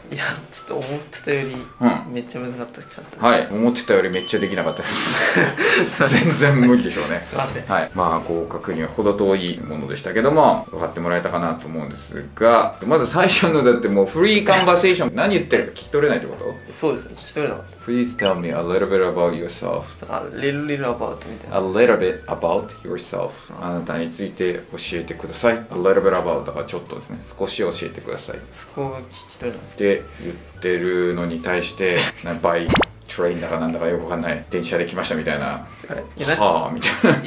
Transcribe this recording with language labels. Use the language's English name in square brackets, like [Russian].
[Japanese] いや、ちょっと思ってたより、めっちゃ難かったです、うん。はい、思ってたよりめっちゃできなかったです。全然無理でしょうね。すいません。はい。まあ、合格には程遠いものでしたけども、分かってもらえたかなと思うんですが、まず最初の、だってもうフリーカンバセーション、何言ってるか聞き取れないってこと？そうですね、聞き取れなかった。 [English] Please tell me a little bit about yourself. A little about [Japanese] みたいな。 [English] A little bit about yourself. [Japanese] あなたについて教えてください。 [English] A little bit about [Japanese] とかちょっとですね、少し教えてください、そこを聞き取るって言ってるのに対してなんかバイトレインだかなんだかよくわかんない電車で来ましたみたいな、いやはぁ、あ、みたいな、